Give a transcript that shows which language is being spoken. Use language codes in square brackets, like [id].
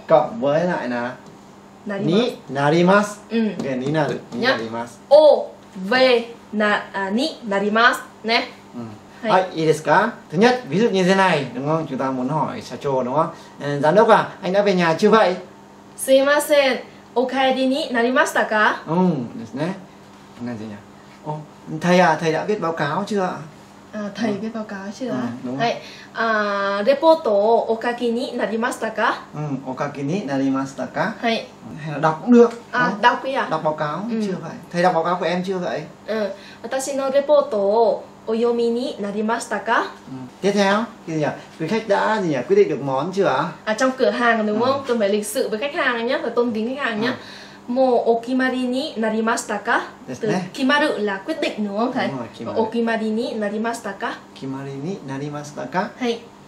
[vi] Cộng với lại là [ja] ni narimasu. [vi] Ừ. Nghe [ja] ni naru, ni narimasu. Ô, vê, na, à, ni narimasu, né? [vi] Hay. Hay, [ja] ですか? [vi] Thứ nhất, ví dụ như thế này, đúng không? Chúng ta muốn hỏi Sacho đúng không? Giám đốc à, anh đã về nhà chưa vậy? [ja] すいません, お帰りに になりましたか? [vi] Ừ, [ja] ですね. [vi] Này gì nhỉ? Ô, thầy à, thầy đã viết báo cáo chưa? À, thầy viết báo cáo chưa? Đúng rồi. [ja] À, report をお書きになりましたか? Ừ, お書きになりましたか? [vi] Hay. Hay là đọc cũng được. À, đọc cái à? Đọc báo cáo chưa vậy? Thầy đọc báo cáo của em chưa vậy? [ja] Ừ, 私のレポートをお読みになりましたか? [vi] Tiếp theo, cái gì nhỉ? Quý khách đã gì nhỉ? Quyết định được món chưa ạ? À, trong cửa hàng đúng không? Tôi phải lịch sự với khách hàng nhé, phải tôn kính khách hàng nhé. [ja] Mo okimari ni narimashita ka? [vi] Từ kimaru là quyết định đúng không thầy? [ja] Okimari ni narimashita ka? Kimari ni narimashita ka? [vi] Hay.